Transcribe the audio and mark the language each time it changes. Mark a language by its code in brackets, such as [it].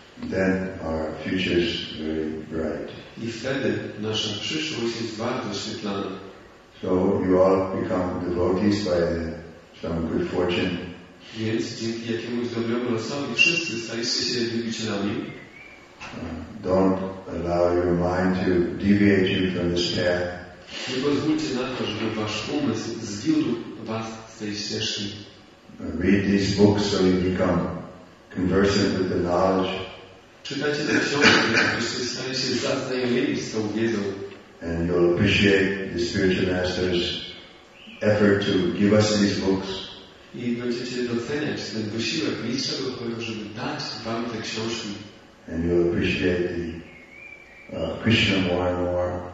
[en] Then our future is very bright. [pl] I wtedy nasza przyszłość jest bardzo świetlana. [en] So you all become devotees by some good fortune. [pl] Więc dzięki jakiemuś dobremu losowi wszyscy staliście się wielbicielami. [en] Don't allow your mind to deviate you from this path. [pl] Nie pozwólcie na to, żeby wasz umysł zwiódł was z tej ścieżki. [en] Read these books so you become conversant with the knowledge. [pl] Czytajcie te książki, abyście stali się zaznajomieni z tą wiedzą. [en] And you'll appreciate the spiritual master's effort to give us these books. [pl] I będziecie doceniać ten wysiłek mistrza duchowego, żeby dać wam te książki. [en] And you'll appreciate the Krishna more and more.